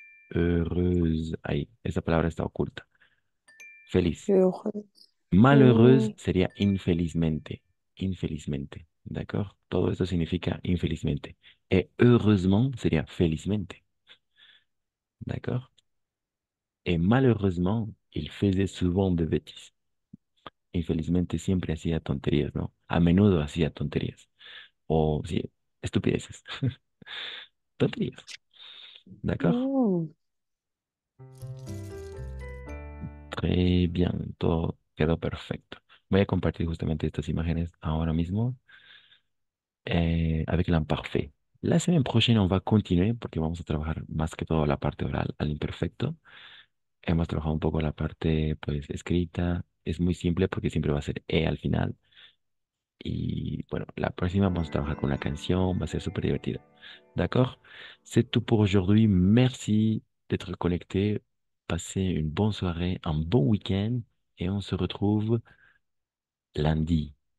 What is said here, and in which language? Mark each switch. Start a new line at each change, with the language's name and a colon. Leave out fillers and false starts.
Spanish: Heureuse, ahí, esa palabra está oculta. Feliz. Malheureuse sería infelizmente, infelizmente, ¿de acuerdo? Todo esto significa infelizmente. Y heureusement sería felizmente, ¿de acuerdo?
French: Y malheureusement, il faisait souvent des bêtises.
Spanish: Infelizmente siempre hacía tonterías, ¿no? A menudo hacía tonterías. O sí, estupideces. Tonterías. ¿De acuerdo?
French: Très bien.
Spanish: Todo quedó perfecto. Voy a compartir justamente estas imágenes ahora mismo.
French: Avec l'imparfait.
Spanish: La semana próxima on va a continuar porque vamos a trabajar más que todo la parte oral al imperfecto. Hemos trabajado un poco la parte, pues, escrita. Es muy simple porque siempre va a ser E al final. Y bueno, la próxima vamos a trabajar con una canción, va a ser súper divertido.
French: D'accord? C'est tout pour aujourd'hui. Merci d'être connecté. Passez une bonne soirée, un bon week-end et on se retrouve lundi.